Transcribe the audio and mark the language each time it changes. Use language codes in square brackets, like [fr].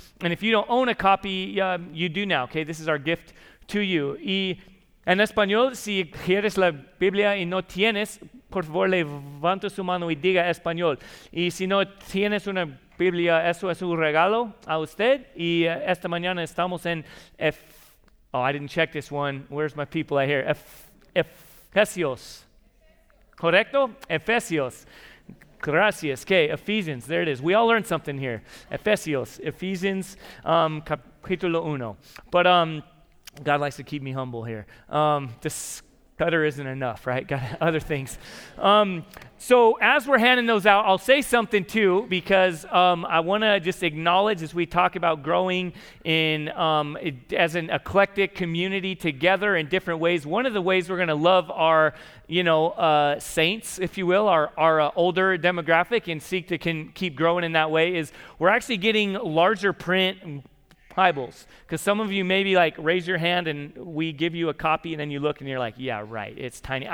[en] And if you don't own a copy, you do now, okay? This is our gift to you. [es] Y en español, si quieres la Biblia y no tienes, por favor, levanta su mano y diga español. Y si no tienes una Biblia, eso es un regalo a usted. Y esta mañana estamos en Efesios. Correcto? Efesios. Gracias. [en] Okay, Ephesians. There it is. We all learned something here. Ephesians, [es] capítulo uno. [en] But God likes to keep me humble here. This cutter isn't enough, right? Got other things. So as we're handing those out, I'll say something too, because I want to just acknowledge, as we talk about growing in as an eclectic community together in different ways, one of the ways we're going to love our, you know, saints, if you will, our older demographic, and seek to keep growing in that way, is we're actually getting larger print Bibles, because some of you maybe like raise your hand and we give you a copy, and then you look and you're like, yeah, right, it's tiny.